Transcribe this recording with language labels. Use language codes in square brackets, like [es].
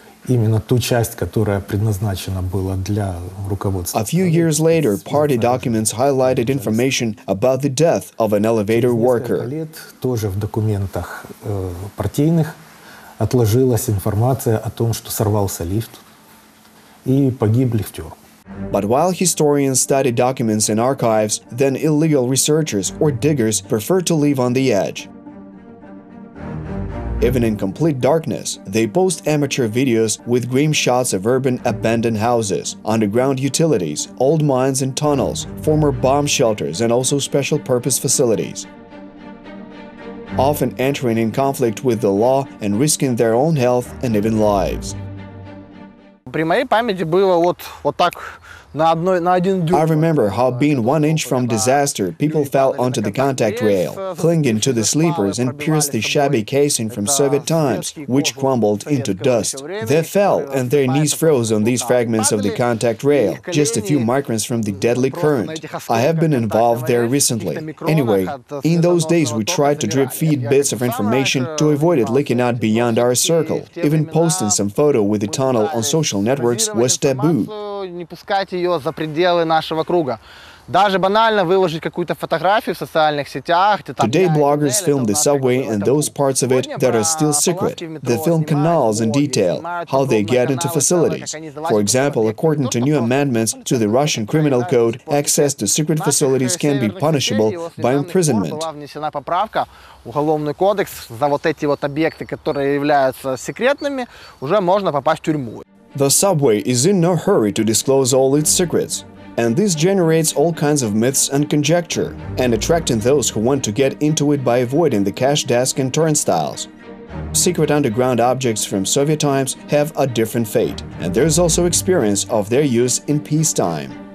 [en] A few years later, party documents highlighted information about the death of an elevator worker. [ru] отложилась информация о том, что сорвался лифт и погиб лифтер. [en] But while historians study documents in archives, then illegal researchers or diggers prefer to live on the edge. Even in complete darkness, they post amateur videos with grim shots of urban abandoned houses, underground utilities, old mines and tunnels, former bomb shelters and also special purpose facilities. Often entering in conflict with the law and risking their own health and even lives. [ru] При моей памяти было вот так. [en] I remember how being 1 inch from disaster, people fell onto the contact rail, clinging to the sleepers and pierced the shabby casing from Soviet times, which crumbled into dust. They fell and their knees froze on these fragments of the contact rail, just a few microns from the deadly current. I have been involved there recently. Anyway, in those days we tried to drip feed bits of information to avoid it leaking out beyond our circle. Even posting some photo with the tunnel on social networks was taboo. [ru] Не пускать ее за пределы нашего круга. Даже банально выложить какую-то фотографию в социальных сетях. [en] Today bloggers film the subway and those parts of it that are still secret. They film canals in detail, how they get into facilities. For example, according to new amendments to the Russian criminal code, access to secret facilities can be punishable by imprisonment. [ru] Была внесена поправка в уголовный кодекс за вот эти вот объекты, которые являются секретными, уже можно попасть в тюрьму. [en] The subway is in no hurry to disclose all its secrets, and this generates all kinds of myths and conjecture, and attracting those who want to get into it by avoiding the cash desk and turnstiles. Secret underground objects from Soviet times have a different fate, and there's also experience of their use in peacetime.